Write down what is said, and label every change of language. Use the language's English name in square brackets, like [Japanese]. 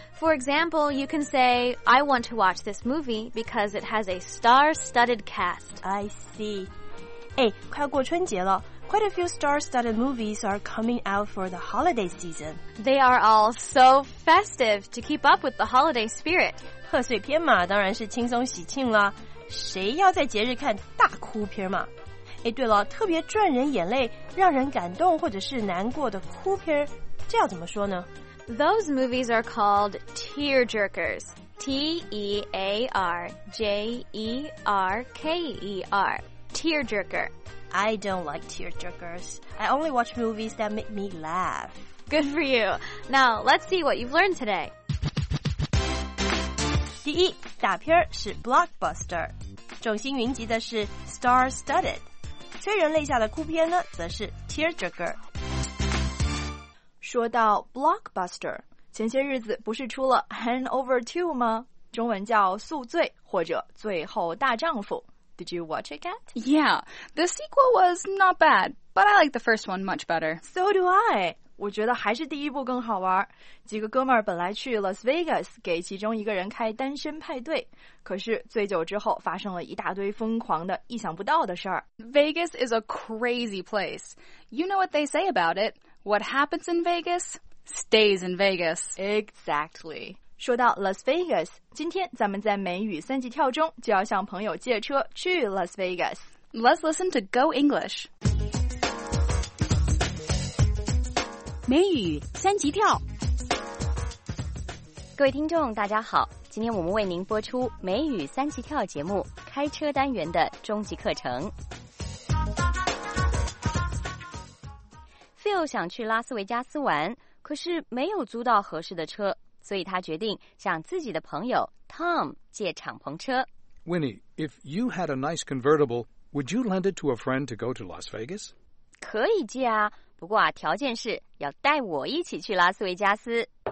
[English] For example, you can say, I want to watch this movie because it has a star-studded cast. I see. Hey, [Chinese] 快过春节了。 [English] Quite a few star-studded movies are coming out for the holiday season. They are all so festive to keep up with the holiday spirit. [Chinese] 贺岁片嘛，当然是轻松喜庆了。谁要在节日看大哭片嘛？哎，对了，特别赚人眼泪、让人感动或者是难过的哭片，这要怎么说呢？ [English] Those movies are called tearjerkers. T-E-A-R-J-E-R-K-E-R. Tearjerker. I don't like tearjerkers. I only watch movies that make me laugh. Good for you. Now, let's see what you've learned today. [Chinese] 第一，大片是 blockbuster， 众星云集的是 star-studded， 催人泪下的哭片呢，则是 tearjerker。说到 blockbuster， 前些日子不是出了 Hangover 2吗？中文叫《宿醉》或者《最后大丈夫》。 [English] Did you watch it yet? Yeah, the sequel was not bad, but I like the first one much better. So do I. [Chinese] 我觉得还是第一部更好玩。几个哥们儿本来去 Las Vegas 给其中一个人开单身派对，可是醉酒之后发生了一大堆疯狂的意想不到的事儿。 [English] Vegas is a crazy place. You know what they say about it. What happens in Vegas stays in Vegas. Exactly. [Chinese] 说到 Las Vegas， 今天咱们在美语三级跳中就要向朋友借车去 Las Vegas。 [English] Let's listen to Go English。 [Chinese] 美语三级跳。各位听众，大家好，今天我们为您播出美语三级跳节目开车单元的终极课程。 Phil 想去拉斯维加斯玩，可是没有租到合适的车。所以他决定向自己的朋友 Tom 借敞篷车。 [English] Winnie, if you had a nice convertible, would you lend it to a friend to go to Las Vegas? [Chinese] 可以借啊，不过啊，条件是要带我一起去拉斯维加斯。